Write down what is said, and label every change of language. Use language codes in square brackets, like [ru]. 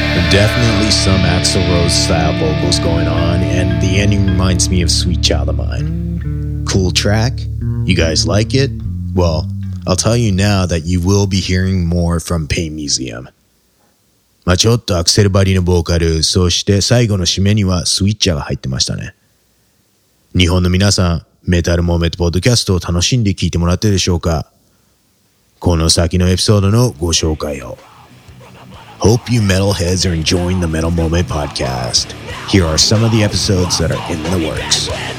[en] Definitely some Axl Rose style vocals going on, and the ending reminds me of Sweet Child of Mine. Cool track? You guys like it? Well, I'll tell you now that you will be hearing more from Pain Museum. [ja] まあ、ちょっとアクセルバリのボーカル、そして最後の締めにはスイッチャーが入ってましたね。日本の皆さん、メタルモーメントポッドキャストを楽しんで聞いてもらってるでしょうか。この先のエピソードのご紹介を。 [en] Hope you metalheads are enjoying the Metal Moment podcast. Here are some of the episodes that are in the works.